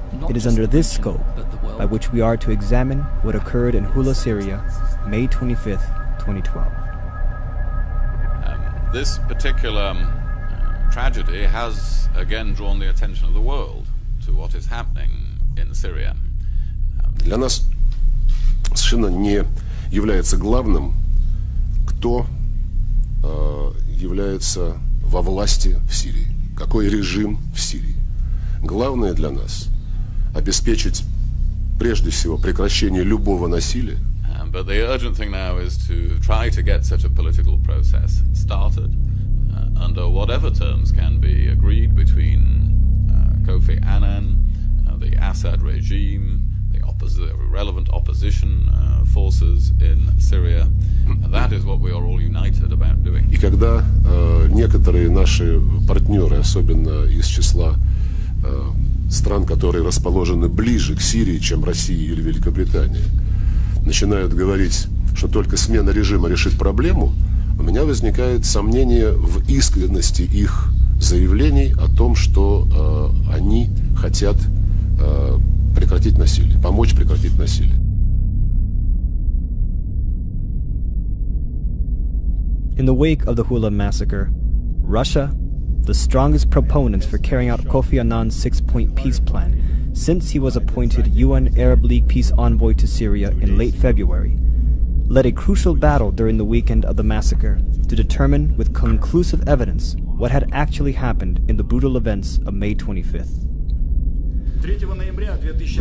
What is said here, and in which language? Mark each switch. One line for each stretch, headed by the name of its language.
English: It is under this scope by which we are to examine what occurred in Hula, Syria, May 25th, 2012. This particular tragedy has again drawn the attention of the world to what is happening in Syria.
Russian: Для нас совершенно не является главным, кто является во власти в Сирии, какой режим в Сирии. Главное для нас обеспечить прежде всего прекращение любого насилия.
English: But the urgent thing now is to try to get such a political process started under whatever terms can be agreed between Kofi Annan, the Assad regime, relevant opposition forces in Syria. That is what we are all united about doing.
Russian: И когда некоторые наши партнеры, особенно из числа стран, которые расположены ближе к Сирии, чем Россия или Великобритания, начинают говорить, что только смена режима решит проблему, у меня возникает сомнение в искренности их заявлений о том, что они хотят прекратить насилие, помочь прекратить насилие.
English: In the wake of the Hula massacre, Russia, the strongest proponents for carrying out Kofi Annan's six-point peace plan since he was appointed UN Arab League peace envoy to Syria in late February, led a crucial battle during the weekend of the massacre to determine with conclusive evidence what had actually happened in the brutal events of May 25th.